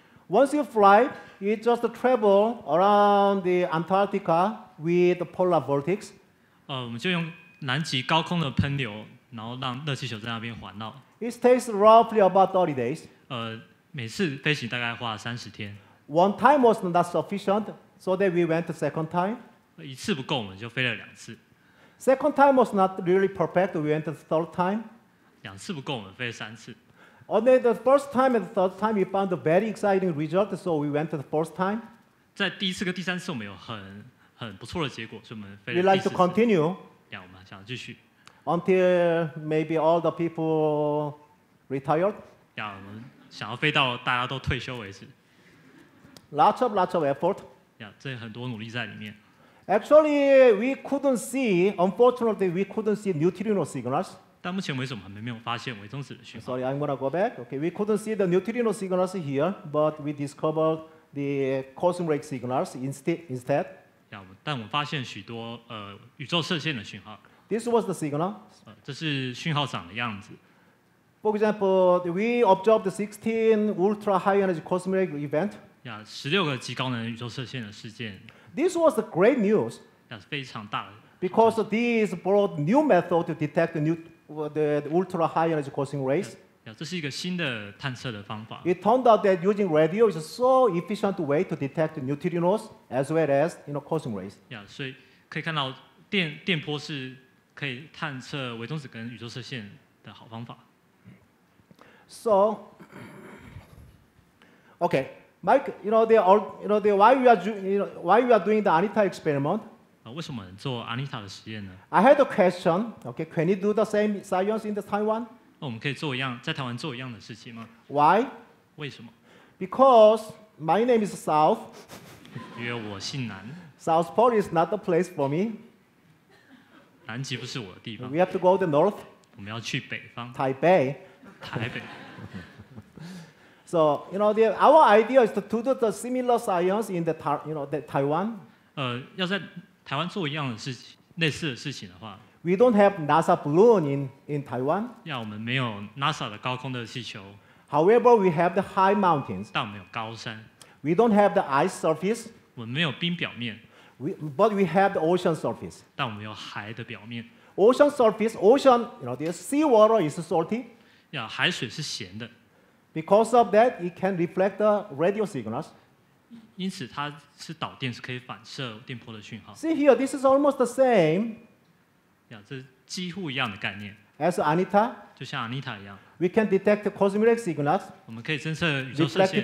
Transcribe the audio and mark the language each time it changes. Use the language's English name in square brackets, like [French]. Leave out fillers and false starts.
[English] Once you fly, you just travel around the Antarctica with the polar vortex. [Chinese] 我们就用南极高空的喷流，然后让热气球在那边环绕。 [English] It takes roughly about 30 days. [Chinese] 每次飞行大概花了30天。 [English] One time was not sufficient, so then we went a second time. [Chinese] 一次不够，我们就飞了两次。 [English] Second time was not really perfect, we went a third time. [Chinese] 两次不够，我们飞了三次。 [English] Only the first time and the third time, we found a very exciting result. So we went to the first time. [Chinese] 在第一次跟第三次，我们有很不错的结果，所以我们飞了第四次。 [English] We like to continue. [Chinese] 我们想继续。 [English] Until maybe all the people retired. [Chinese] 我们想要飞到大家都退休为止。 [English] Lots of effort. [Chinese] 这很多努力在里面。 [English] Actually, we couldn't see. Unfortunately, we couldn't see neutrino signals. [Chinese] 但目前为止我们还没有发现微中子的讯号。 [English] Sorry, I'm gonna go back. Okay, we couldn't see the neutrino signals here, but we discovered the quantum break signals instead. [Chinese] 但我们发现许多宇宙射线的讯号。 [English] This was the signal. [Chinese] 这是讯号长的样子。 [English] For example, we observed 16 ultra high energy quantum break event. [Chinese] 16个极高能宇宙射线的事件。 [English] This was the great news. [Chinese] 非常大的。 [English] Because this brought new method to detect the ultra high energy quantum rays. [Chinese] 这是一个新的探测的方法。 [English] It turned out that using radio is a so efficient way to detect neutrinos as well as, you know, quantum rays. [Chinese] 所以可以看到电波是可以探测微中子跟宇宙射线的好方法。 [English] So, okay, Mike, you know, why we are doing the ANITA experiment? [Chinese] 为什么做 ANITA 的实验呢？ [English] I had a question. Okay, can you do the same science in Taiwan? [Chinese] 我们可以做一样，在台湾做一样的事情吗？ [English] Why? [Chinese] 为什么？ [English] Because my name is South. [Chinese] 因为我姓南。 [English] South Pole is not the place for me. [Chinese] 南极不是我的地方。 [English] We have to go to the north. [Chinese] 我们要去北方。 [English] Taipei. [Chinese] 台北。 [English] So, you know, our idea is to do the similar science in Taiwan. [Chinese] 要在台湾做一样的事情，类似的事情的话 [English] ，We don't have NASA balloon in Taiwan. [Chinese] 我们没有 NASA 的高空的气球。 [English] However, we have the high mountains. [Chinese] 但我们有高山。 [English] We don't have the ice surface. [Chinese] 我们没有冰表面。 [English] But we have the ocean surface. [Chinese] 但我们有海的表面。 [English] Ocean surface, ocean, you know, the sea water is salty. [Chinese] 海水是咸的。 [English] Because of that, it can reflect the radio signals. [Chinese] 因此它是导电，是可以反射电波的讯号。 [English] See here, this is almost the same. [Chinese] 呀，这几乎一样的概念。 [English] As ANITA, [Chinese] 就像 ANITA 一样。 [English] We can detect cosmic signals. [Chinese] 我们可以侦测宇宙射线。